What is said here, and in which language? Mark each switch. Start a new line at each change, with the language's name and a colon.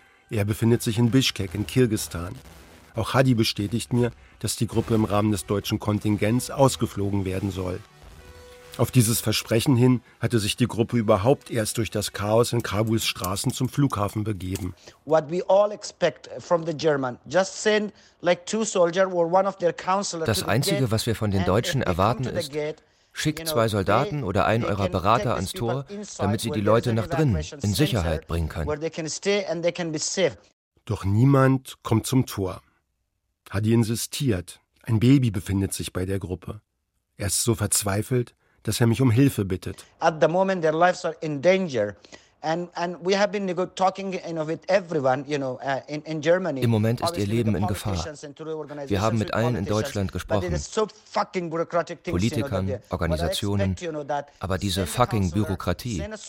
German: Er befindet sich in Bischkek in Kirgisistan. Auch Hadi bestätigt mir, dass die Gruppe im Rahmen des deutschen Kontingents ausgeflogen werden soll. Auf dieses Versprechen hin hatte sich die Gruppe überhaupt erst durch das Chaos in Kabuls Straßen zum Flughafen begeben.
English: What we all expect from the German, just send like two soldiers or one of their counselors.
German: Das Einzige, was wir von den Deutschen erwarten, ist, schickt zwei Soldaten oder einen eurer Berater ans Tor, damit sie die Leute nach drinnen in Sicherheit bringen können. Doch niemand kommt zum Tor. Hadi insistiert. Ein Baby befindet sich bei der Gruppe. Er ist so verzweifelt, dass er mich um Hilfe bittet.
English: At the moment their lives are in danger. And we have been talking, you know, with everyone, you know, in Germany.
German: Im Moment ist ihr Leben in Gefahr. Wir haben mit allen in Deutschland gesprochen. Politikern, Organisationen. Aber diese fucking Bürokratie.